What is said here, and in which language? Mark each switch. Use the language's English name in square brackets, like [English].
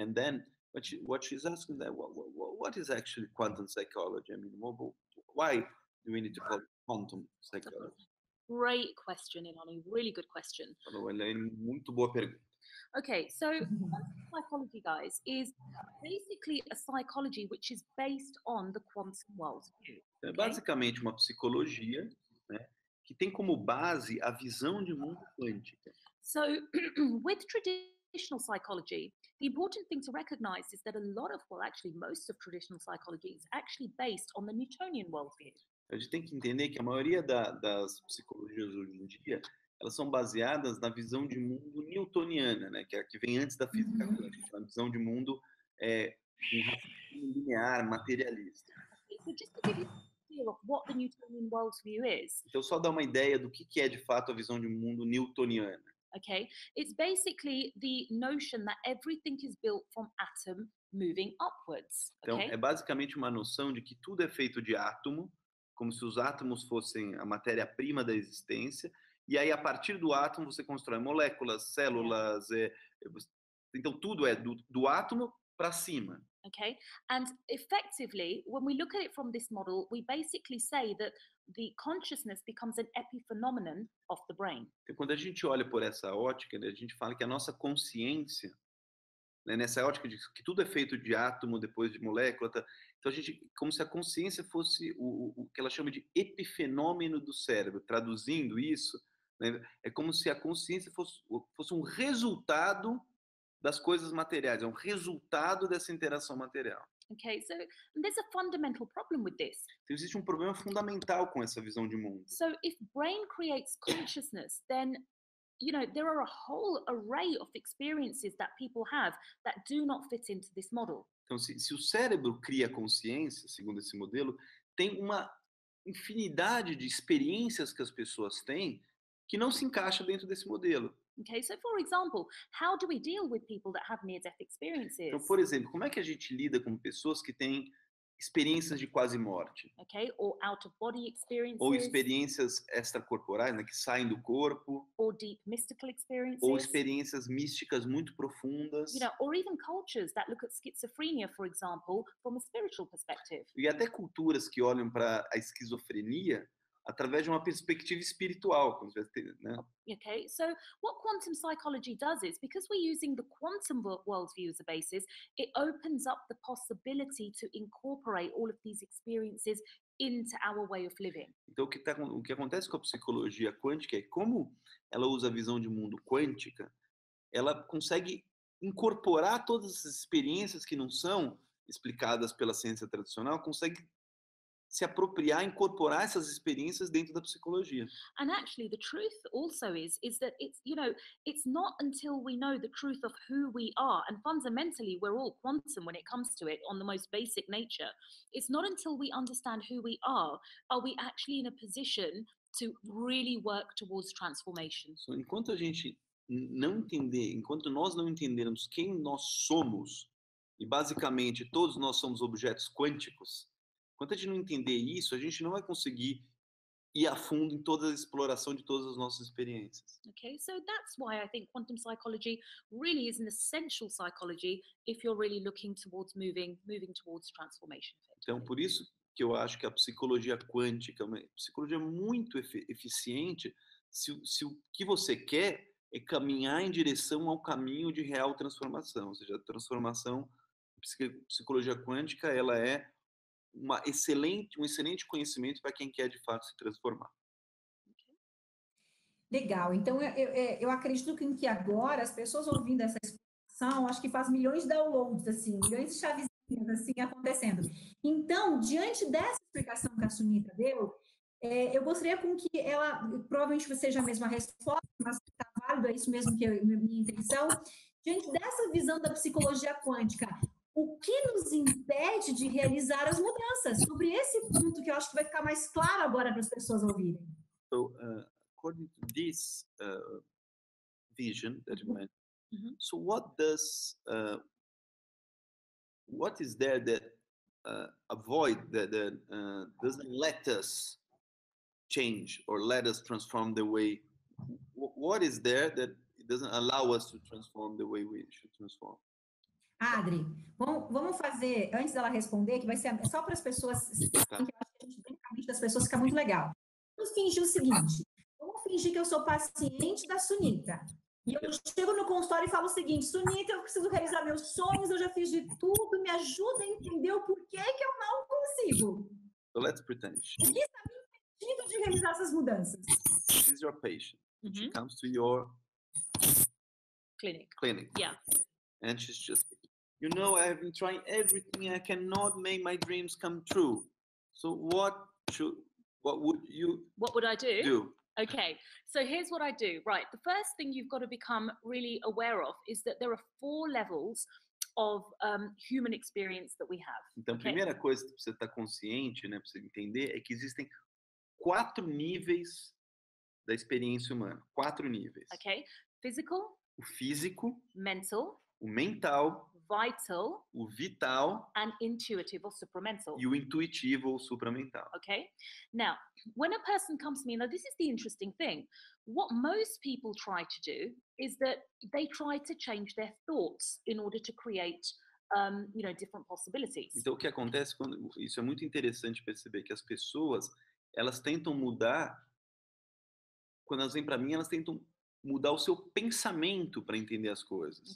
[English] And then, what she's asking that, what is actually quantum psychology? I mean, why do we need to call it quantum psychology? Great question, Ilani. Really good question. [Portuguese] Muito boa pergunta. [English] Okay, so quantum psychology, guys, is basically a psychology which is based on the quantum world. [Portuguese] Okay? É basicamente uma psicologia, né, que tem como base a visão de mundo quântico. [English] So, with traditional psychology, the important thing to recognize is that a lot of, well, actually most of traditional psychology is actually based on the Newtonian worldview. [Portuguese] A gente tem que entender que a maioria das psicologias hoje em dia, elas são baseadas na visão de mundo newtoniana, né, que é a que vem antes da física quântica, a visão de mundo linear, materialista. [English] So just to give you a feel of what the Newtonian worldview is. [Portuguese] Então só dar uma ideia do que é de fato a visão de mundo newtoniana. [English] Okay, it's basically the notion that everything is built from atom moving upwards. [Portuguese] Então, okay? É basicamente uma noção de que tudo é feito de átomo, como se os átomos fossem a matéria-prima da existência, e aí a partir do átomo você constrói moléculas, células, então tudo é do átomo para cima. [English] Okay, and effectively, when we look at it from this model, we basically say that the consciousness becomes an epiphenomenon of the brain. [Portuguese] Então, quando a gente olha por essa ótica, né, a gente fala que a nossa consciência, né, nessa ótica de que tudo é feito de átomo, depois de molécula, tá, então a gente, como se a consciência fosse o que ela chama de epifenômeno do cérebro. Traduzindo isso, né, é como se a consciência fosse um resultado das coisas materiais, é um resultado dessa interação material. [English] Okay, so there's a fundamental problem with this. [Portuguese] Então, existe um problema fundamental com essa visão de mundo. [English] So if brain creates consciousness, then you know there are a whole array of experiences that people have that do not fit into this model. [Portuguese] Então, se o cérebro cria consciência, segundo esse modelo, tem uma infinidade de experiências que as pessoas têm que não se encaixa dentro desse modelo. [English] Okay, so for example, how do we deal with people that have near-death experiences? [Portuguese] Então, por exemplo, como é que a gente lida com pessoas que têm experiências de quase morte? [English] Okay, or out-of-body experiences. [Portuguese] Ou experiências extracorporais, né, que saem do corpo. [English] Or deep mystical experiences. [Portuguese] Ou experiências místicas muito profundas. [English] You know, or even cultures that look at schizophrenia, for example, from a spiritual perspective. [Portuguese] E até culturas que olham para a esquizofrenia através de uma perspectiva espiritual, como você tem, né? [English] Okay, so what quantum psychology does is, because we're using the quantum worldview as a basis, it opens up the possibility to incorporate all of these experiences into our way of living. [Portuguese] Então, o que acontece com a psicologia quântica é, como ela usa a visão de mundo quântica, ela consegue incorporar todas essas experiências que não são explicadas pela ciência tradicional, consegue se apropriar, incorporar essas experiências dentro da psicologia. [English] And actually, the truth also is that it's, you know, it's not until we know the truth of who we are, and fundamentally we're all quantum when it comes to it, on the most basic nature. It's not until we understand who we are we actually in a position to really work towards transformation. [Portuguese] So, enquanto a gente não entender, enquanto nós não entendermos quem nós somos, e basicamente todos nós somos objetos quânticos, enquanto a gente não entender isso, a gente não vai conseguir ir a fundo em toda a exploração de todas as nossas experiências. [English] Okay, so that's why I think quantum psychology really is an essential psychology if you're really looking towards moving towards transformation. [Portuguese] Então, por isso que eu acho que a psicologia quântica é uma psicologia muito eficiente se o que você quer é caminhar em direção ao caminho de real transformação, ou seja, a transformação, psicologia quântica, ela é um excelente conhecimento para quem quer, de fato, se transformar. Legal. Então, eu acredito que agora as pessoas ouvindo essa explicação, acho que faz milhões de downloads, assim, milhões de chavezinhas assim, acontecendo. Então, diante dessa explicação que a Sunita deu, eu gostaria com que ela, provavelmente seja a mesma resposta, mas está válido, é isso mesmo que é a minha intenção. Diante dessa visão da psicologia quântica, o que nos impede de realizar as mudanças? Sobre esse ponto que eu acho que vai ficar mais claro agora para as pessoas ouvirem. [English] So, according to this vision that you mentioned, so what does what is there that avoid that doesn't let us change or let us transform the way? What is there that it doesn't allow us to transform the way we should transform? [Portuguese] Adri, vamos fazer, antes dela responder, que vai ser só para as pessoas, que eu acho que a gente, bem na mente das pessoas, fica muito legal. Vamos fingir o seguinte, vamos fingir que eu sou paciente da Sunita, e eu chego no consultório e falo o seguinte: Sunita, eu preciso realizar meus sonhos, eu já fiz de tudo, me ajuda a entender o porquê que eu não consigo. [English] So let's pretend. [Portuguese] O que está me impedindo de realizar essas mudanças? [English] This is your patient. She comes to your clinic. Yeah. And she's just, you know, I have been trying everything, I cannot make my dreams come true. So what would I do? Okay, so here's what I do. Right, the first thing you've got to become really aware of is that there are four levels of human experience that we have. [Portuguese] Então, okay? Primeira coisa que você está consciente, né, para você entender, é que existem quatro níveis da experiência humana. Quatro níveis. [English] Okay, physical. [Portuguese] O físico. [English] Mental. [Portuguese] O mental, [English] vital, [Portuguese] o vital, [English] and intuitive or supramental. [Portuguese] E o intuitivo ou supramental. Okay. [English] Now, when a person comes to me, now this is the interesting thing. What most people try to do is that they try to change their thoughts in order to create different possibilities. [Portuguese] Então o que acontece quando isso é muito interessante perceber que as pessoas, elas tentam mudar, quando elas vêm para mim, elas tentam mudar o seu pensamento para entender as coisas.